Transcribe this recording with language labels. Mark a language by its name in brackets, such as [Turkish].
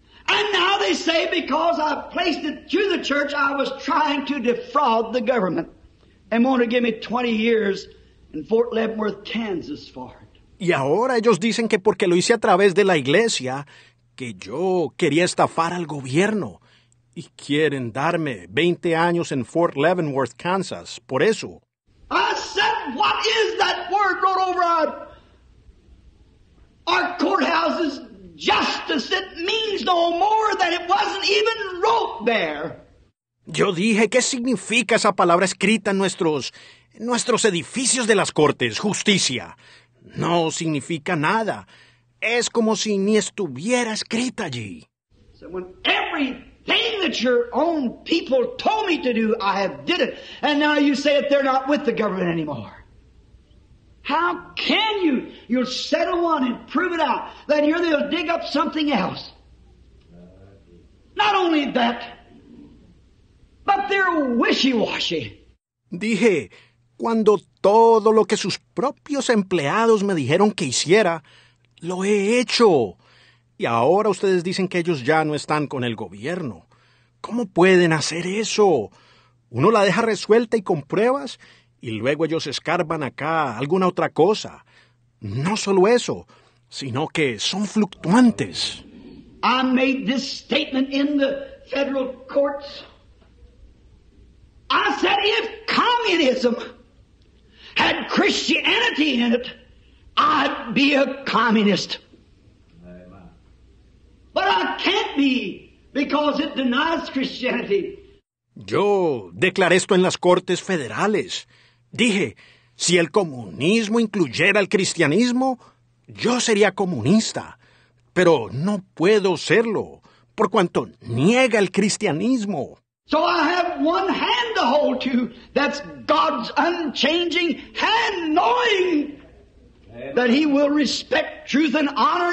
[English] And now they say because I placed it through the church, I was trying to defraud the government. And want to give me 20 years in Fort Leavenworth, Kansas for it. [Spanish] Y ahora ellos dicen que porque lo hice a través de la iglesia, que yo quería estafar al gobierno. Y quieren darme 20 años en Fort Leavenworth, Kansas, por eso. [English] I said, what is that word wrote over our courthouses, justice, it means no more than it wasn't even wrote there. [Spanish] Yo dije, ¿qué significa esa palabra escrita en nuestros edificios de las cortes, justicia? No significa nada. Es como si ni estuviera escrita allí. [English] So when everything that your own people told me to do, I have did it. And now you say that they're not with the government anymore. How can you? You'll settle one and prove it out. Then here they'll dig up something else. Not only that, but they're wishy-washy. [Spanish] Dije, cuando todo lo que sus propios empleados me dijeron que hiciera, lo he hecho. Y ahora ustedes dicen que ellos ya no están con el gobierno. ¿Cómo pueden hacer eso? Uno la deja resuelta y con pruebas, y luego ellos escarban acá alguna otra cosa. No solo eso, sino que son fluctuantes. [English] I made this statement in the federal courts. I said if communism had Christianity in it, I'd be a communist. But I can't be because it denies Christianity. [Spanish] Yo declaré esto en las cortes federales. Dije, si el comunismo incluyera el cristianismo, yo sería comunista. pero no puedo serlo, por cuanto niega el cristianismo. [English] So I have one hand to hold to. That's God's unchanging hand, knowing that He will respect truth and honor.